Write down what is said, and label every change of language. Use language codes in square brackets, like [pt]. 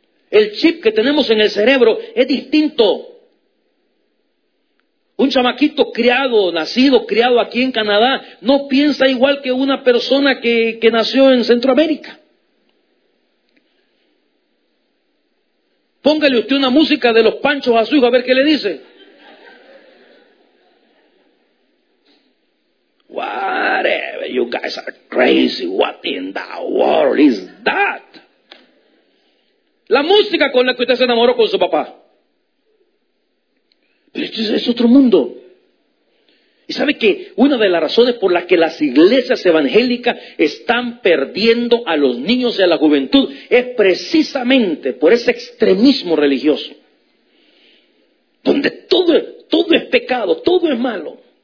[es] El chip que tenemos en el cerebro es distinto. Un chamaquito criado, nacido, criado aquí en Canadá, no piensa igual que una persona que nació en Centroamérica. Póngale usted una música de los Panchos a su hijo a ver qué le dice. [en] Whatever, you guys are crazy. What in the world is that? [es] La música con la que usted se enamoró con su papá. Pero esto es otro mundo. Y sabe que una de las razones por las que las iglesias evangélicas están perdiendo a los niños y a la juventud es precisamente por ese extremismo religioso, donde todo es pecado, todo es malo.